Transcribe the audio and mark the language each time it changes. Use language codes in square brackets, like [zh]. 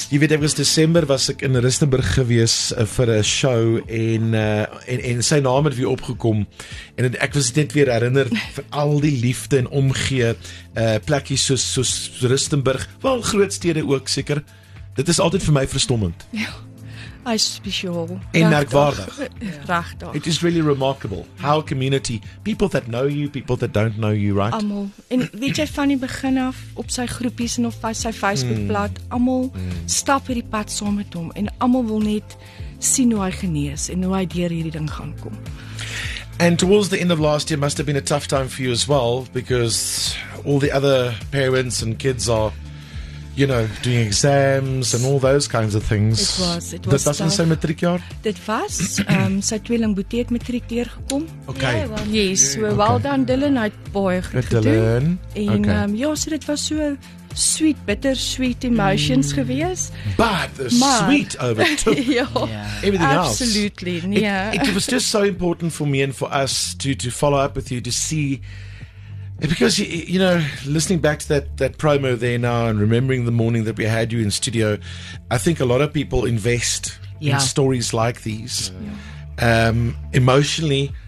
[af] Jy weet, in December was ek in Rustenburg gewees vir 'n show en sy naam het weer opgekom en ek was net weer herinner vir al die liefde en omgee plekkies soos Rustenburg, wel groot stede ook seker. Dit is altyd vir my verstommend. Ja, hy is spesiaal. En merkwaardig. Regtig. [en] It is really remarkable how community, people that know you, people that don't know you, right? [af] Almal. En weet jy, van die begin af, op sy groepies en op sy Facebookblad, almal stap hierdie pad saam met hom en almal wil net sien hoe hy genees en hoe hy deur hierdie ding gaan kom. [en] And towards the end of last year must have been a tough time for you as well, because all the other parents and kids are, you know, doing exams and all those kinds of things. It was [af] dit was in matriek jaar? Dit was. Sy tweeling Boetie het matriek deurgekom. [en] Okay. Yeah, well, yes, yeah, well okay. [af] Done Dylan, hy het baie goed gedoen. Dylan. En okay. Ja, so dit was [en] so sweet, bittersweet emotions [af] gewees. [en] But the sweet overtook everything absolutely, else. Absolutely, yeah. It was just so important for me and for us to follow up with you to see, because, you know, listening back to that promo there now and remembering the morning that we had you in studio, I think a lot of people invest in stories like these emotionally.